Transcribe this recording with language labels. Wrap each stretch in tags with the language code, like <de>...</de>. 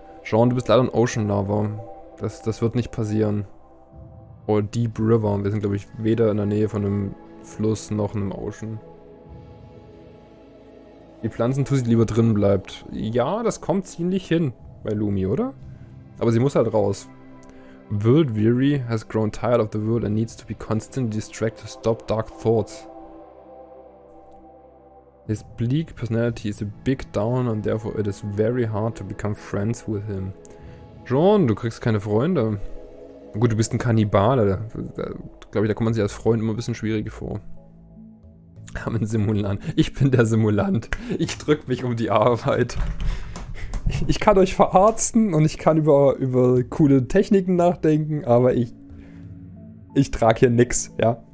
<de>Jean, du bist leider ein Ocean Lover. Das wird nicht passieren. Oder Deep River. Wir sind, glaube ich, weder in der Nähe von einem Fluss noch einem Ocean. Die Pflanzentussi, die lieber drin bleibt. Ja, das kommt ziemlich hin bei Lumi, oder? Aber sie muss halt raus.</de> <en>World Weary has grown tired of the world and needs to be constantly distracted to stop dark thoughts. His bleak personality is a big down and therefore it is very hard to become friends with him.</en> <de>John, du kriegst keine Freunde. Gut, du bist ein Kannibale. Glaube ich, da kommt man sich als Freund immer ein bisschen schwieriger vor. Haben einen Simulant. Ich bin der Simulant. Ich drück mich um die Arbeit. Ich kann euch verarzten und ich kann über coole Techniken nachdenken, aber ich trage hier nix, ja?</de>